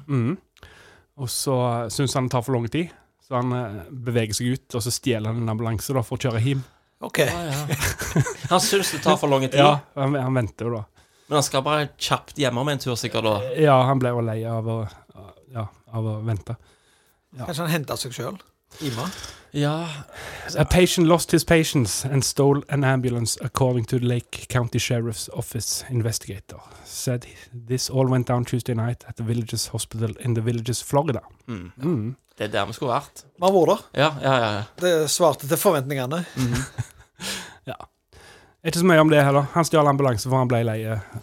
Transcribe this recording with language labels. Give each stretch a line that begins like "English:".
Norwegian: Mm-hmm. Og så synes han det tar for lang tid, så han beveger seg ut, og så stjeler han en ambulanse da, for å kjøre hjem. Ok. Ja. Han synes det tar for lang tid. Ja, han venter jo da. Men han skal bare kjapt hjemme med en tur sikkert da. Ja, han ble jo lei av å vente. Ja. Kanskje han hentet seg selv? Ima? Ja.
English: A patient lost his patience and stole an ambulance according to the Lake County Sheriff's Office investigator. Said this all went down Tuesday night at the Villages Hospital in the Villages, Florida. Mm. Mm.
Norwegian: Det er der vi skulle vært. Man var da. Ja. Det svarte til forventningene. Mm. Ja. Ikke så mye om det heller. Han stjal ambulanse for han ble leie.